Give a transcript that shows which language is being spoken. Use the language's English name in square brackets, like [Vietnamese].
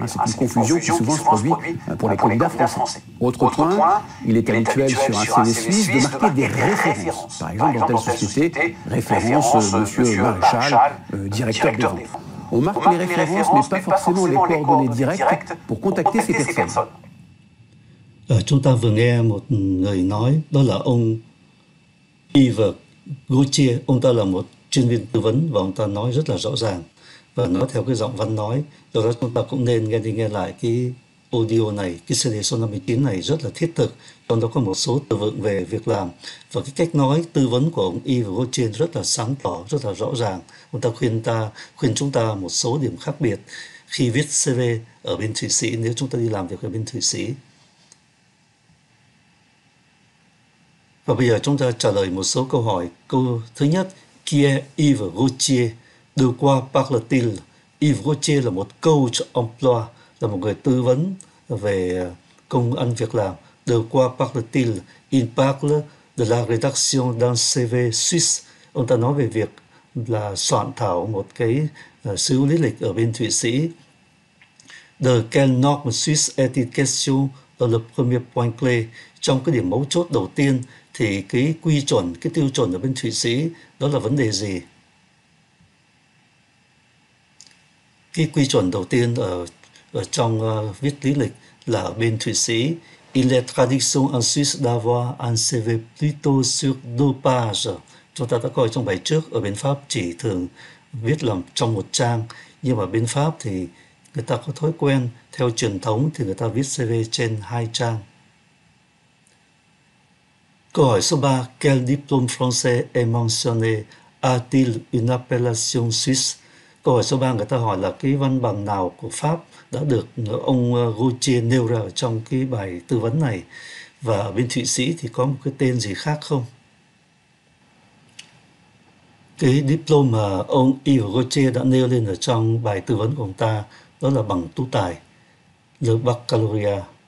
[French] C'est une confusion qui souvent se produit pour les candidats français. Autre point, il est habituel sur un CV suisse de marquer des références. Par exemple, dans telle société, référence Monsieur Maréchal, directeur de vente. On marque les références, mais pas forcément les coordonnées directes pour contacter ces personnes. [Vietnamese] Chúng ta vừa nghe một người nói, đó là ông Yves Gauthier. Ông ta là một chuyên viên tư vấn và ông ta nói rất là rõ ràng và nói theo cái giọng văn nói. Do đó chúng ta cũng nên nghe đi nghe lại cái audio này, cái CD số 59 này rất là thiết thực. Trong đó có một số từ vựng về việc làm và cái cách nói tư vấn của ông Yves Gauthier rất là sáng tỏ, rất là rõ ràng. Ông ta khuyên chúng ta một số điểm khác biệt khi viết CV ở bên Thụy Sĩ nếu chúng ta đi làm việc ở bên Thụy Sĩ. Và bây giờ chúng ta trả lời một số câu hỏi. Câu thứ nhất, [French] qui est Yves Gauthier? De quoi parle-t-il? [Vietnamese] Yves Gauthier là một coach emploi, là một người tư vấn về công ăn việc làm. [French] De quoi parle-t-il? Il parle de la rédaction d'un CV suisse. [Vietnamese] Ông ta nói về việc là soạn thảo một cái sứ lý lịch ở bên Thụy Sĩ. [French] De quelle norme suisse est-il question dans le premier point clé? [Vietnamese] Trong cái điểm mấu chốt đầu tiên, thì cái quy chuẩn, cái tiêu chuẩn ở bên Thụy Sĩ, đó là vấn đề gì? Cái quy chuẩn đầu tiên ở trong viết lý lịch là ở bên Thụy Sĩ. [French] Il est tradition en Suisse d'avoir un CV plutôt sur deux pages. [Vietnamese] Chúng ta đã coi trong bài trước, ở bên Pháp chỉ thường viết là trong một trang. Nhưng mà bên Pháp thì người ta có thói quen, theo truyền thống thì người ta viết CV trên hai trang. Câu hỏi số 3, [French] quel diplôme français est mentionné? A-t-il une appellation suisse? [Vietnamese] Câu hỏi số 3, người ta hỏi là cái văn bằng nào của Pháp đã được ông Gauthier nêu ra trong cái bài tư vấn này? Và ở bên Thụy Sĩ thì có một cái tên gì khác không? Cái diplôme mà ông Yves Gauthier đã nêu lên ở trong bài tư vấn của ông ta, đó là bằng tú tài, le baccalauréat.